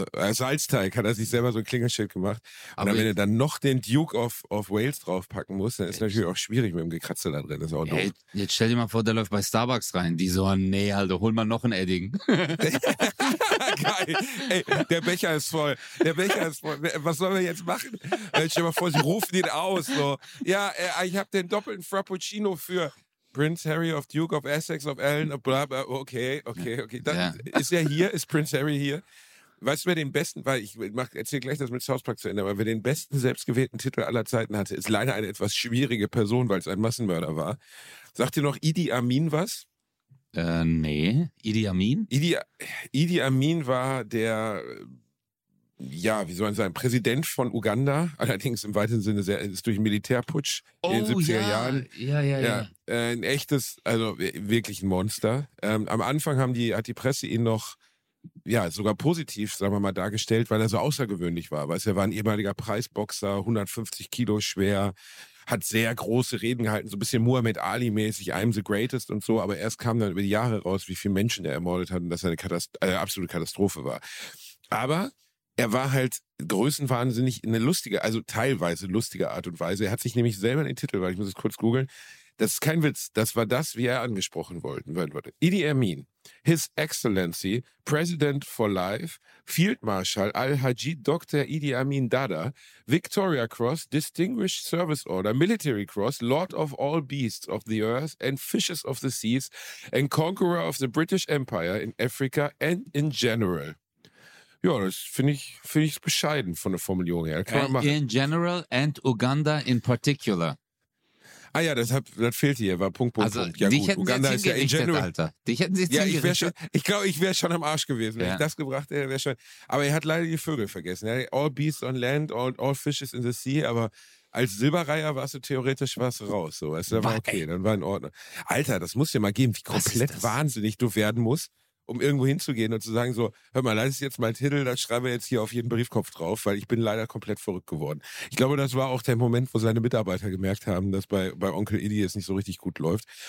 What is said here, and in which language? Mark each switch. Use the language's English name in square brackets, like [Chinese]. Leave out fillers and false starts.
[German] Salzteig hat er sich selber so ein Klingelschild gemacht. Und dann, wenn er dann noch den Duke of Wales draufpacken muss, dann ist natürlich auch schwierig mit dem Gekratzel da drin. Das ist auch doof. Jetzt stell dir mal vor, der läuft bei Starbucks rein. Die so, nee, Alter, hol mal noch ein Edding. Geil. Ey, der Becher ist voll. Was sollen wir jetzt machen? Stell dir mal vor, sie rufen ihn aus. So. Ja, ich habe den doppelten Frappuccino für... Prince Harry of Duke of Essex of Allen, bla bla, okay. Ist er hier? Ist Prince Harry hier? Weißt du, wer den besten, weil ich erzähle gleich das mit South Park zu Ende, aber wer den besten selbstgewählten Titel aller Zeiten hatte, ist leider eine etwas schwierige Person, weil es ein Massenmörder war. Sagt dir noch Idi Amin was? Idi Amin? Idi Amin war der, wie soll man sagen, Präsident von Uganda, allerdings im weiteren Sinne ist durch einen Militärputsch in den 70er Jahren. Ein echtes, also wirklich ein Monster. Am Anfang hat die Presse ihn noch, sogar positiv, sagen wir mal, dargestellt, weil er so außergewöhnlich war. Weißt du, er war ein ehemaliger Preisboxer, 150 Kilo schwer, hat sehr große Reden gehalten, so ein bisschen Muhammad Ali-mäßig, [English] I'm the greatest [German] und so, aber erst kam dann über die Jahre raus, wie viele Menschen er ermordet hat und dass er eine absolute Katastrophe war. Aber er war halt größenwahnsinnig in teilweise lustige Art und Weise. Er hat sich nämlich selber den Titel, weil ich muss es kurz googeln, das ist kein Witz, das war das, wie er angesprochen worden wurde. [English] Idi Amin, His Excellency, President for Life, Field Marshal Al-Haji Dr. Idi Amin Dada, Victoria Cross, Distinguished Service Order, Military Cross, Lord of all beasts of the earth and fishes of the seas and conqueror of the British Empire in Africa and in general. [German] Ja, das finde ich bescheiden von der Formulierung her. Kann man machen. [English] In general and Uganda in particular. [German] Ah ja, das fehlte hier, war Punkt. Also, ja, dich gut. Uganda ist ja [English] in general. [German] Alter. Dich hätten sie jetzt hingerichtet. Ich wäre schon am Arsch gewesen, wenn ich das gebracht hätte. Wär schon. Aber er hat leider die Vögel vergessen. [English] All beasts on land, all fishes in the sea. [German] Aber als Silberreiher warst du theoretisch was raus. So. Also, das war okay, dann war in Ordnung. Alter, das muss dir mal geben, wie komplett wahnsinnig du werden musst, um irgendwo hinzugehen und zu sagen so, hör mal, das ist jetzt mein Titel, das schreiben wir jetzt hier auf jeden Briefkopf drauf, weil ich bin leider komplett verrückt geworden. Ich glaube, das war auch der Moment, wo seine Mitarbeiter gemerkt haben, dass bei Onkel Idi es nicht so richtig gut läuft.